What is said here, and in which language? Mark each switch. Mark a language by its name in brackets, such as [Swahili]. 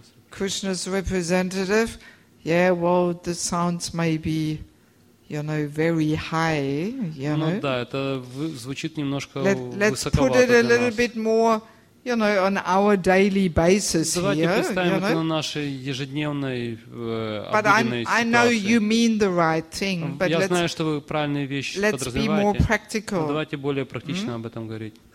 [English] Krishna's representative. Yeah, well, this sounds maybe, you know, very high, you know. [Russian] Ну да, это звучит немножко высоковато. [English] Let's put it a little bit more, you know, on our daily basis here. [Russian] Давайте представим это на нашей ежедневной обыденной ситуации. [English] But I know you mean the right thing. But [Russian] я знаю, что вы правильные вещи подразумеваете. [English] Let's be more practical. [Russian] Давайте более практично об этом говорить.